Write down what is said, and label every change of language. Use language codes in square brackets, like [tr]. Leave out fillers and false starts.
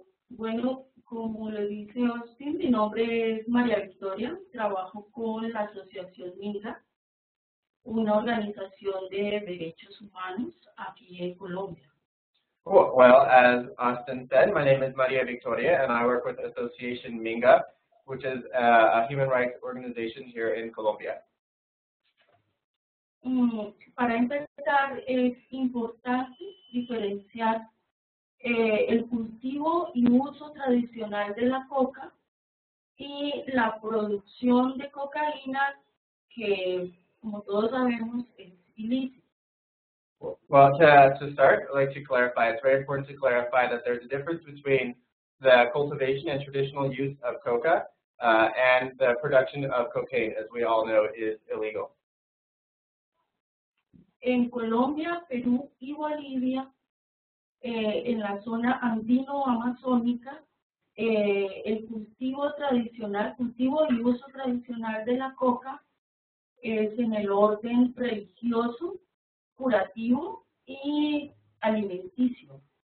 [es] Bueno, como le dice Austin, mi nombre es María Victoria. Trabajo con la Asociación MIGA, una organización de derechos humanos aquí en Colombia. [en] Cool. Well, as Austin said, my name is María Victoria and I work with Asociación MIGA, which is a human rights organization here in Colombia. [es] Para empezar, es importante diferenciar el cultivo y uso tradicional de la coca y la producción de cocaína, que, como todos sabemos, es ilícita. [en] Well, to start, I'd like to clarify, it's very important to clarify that there's a difference between the cultivation and traditional use of coca and the production of cocaine, as we all know, is illegal. [es] En Colombia, Perú y Bolivia, en la zona andino-amazónica, el cultivo tradicional, cultivo y uso tradicional de la coca es en el orden religioso, curativo y alimenticio.